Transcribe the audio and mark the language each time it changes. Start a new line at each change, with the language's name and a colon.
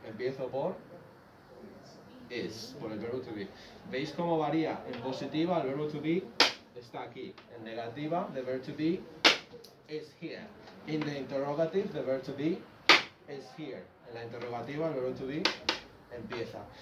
Spanish: Empiezo por is, por el verbo to be. ¿Veis cómo varía? En positiva, el verbo to be está aquí. En negativa,
English: the verb to be is here. In the interrogative, the verb to be is here.
Spanish: En la interrogativa, el verbo to be empieza.